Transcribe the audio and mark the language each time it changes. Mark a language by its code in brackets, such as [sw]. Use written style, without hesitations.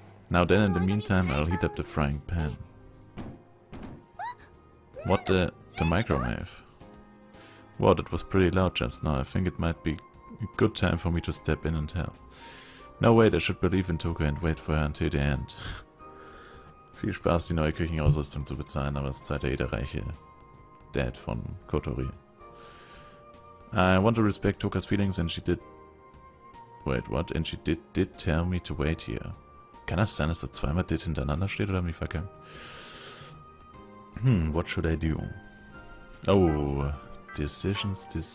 [en] Now then, in the meantime, I'll heat up the frying pan. What the... The microwave. Wow, that was pretty loud just now. I think it might be a good time for me to step in and help. No, wait, I should believe in Toka and wait for her until the end. [de] Viel Spaß, die neue Küchenausrüstung zu bezahlen, aber es zahlt ja der reiche Dad von Kotori. [en] I want to respect Toka's feelings and she did... Wait, what? And she did tell me to wait here. [de] Kann das sein, dass da zweimal did hintereinander steht oder mich verkehrt? [en] What should I do? Oh, decisions.